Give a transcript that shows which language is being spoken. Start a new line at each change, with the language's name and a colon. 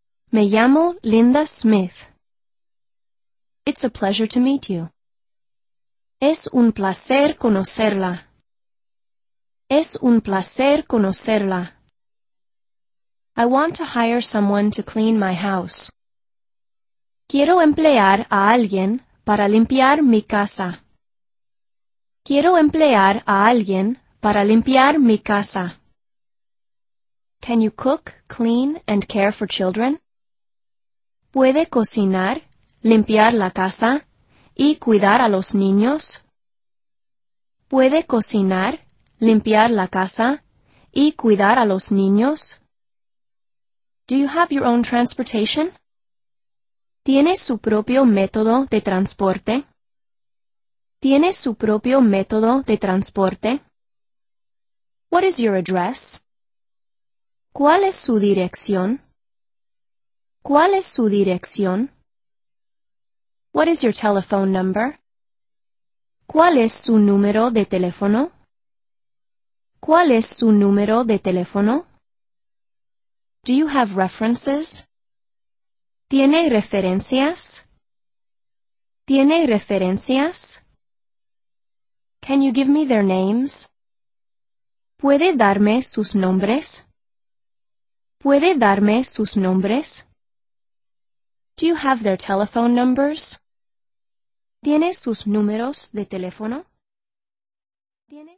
Spanish: Me llamo Linda Smith.
English: It's a pleasure to meet you.
Spanish: Es un placer conocerla. Es un placer conocerla.
English: I want to hire someone to clean my house.
Spanish: Quiero emplear a alguien para limpiar mi casa. Quiero emplear a alguien para limpiar mi casa.
English: Can you cook, clean, and care for children?
Spanish: ¿Puede cocinar, limpiar la casa, y cuidar a los niños? ¿Puede cocinar, limpiar la casa, y cuidar a los niños?
English: Do you have your own transportation?
Spanish: ¿Tiene su propio método de transporte? ¿Tiene su propio método de transporte?
English: What is your address?
Spanish: ¿Cuál es su dirección? ¿Cuál es su dirección?
English: What is your telephone number?
Spanish: ¿Cuál es su número de teléfono? ¿Cuál es su número de teléfono?
English: Do you have references?
Spanish: ¿Tiene referencias? ¿Tiene referencias?
English: Can you give me their names?
Spanish: ¿Puede darme sus nombres? ¿Puede darme sus nombres?
English: Do you have their telephone numbers?
Spanish: ¿Tiene sus números de teléfono? ¿Tiene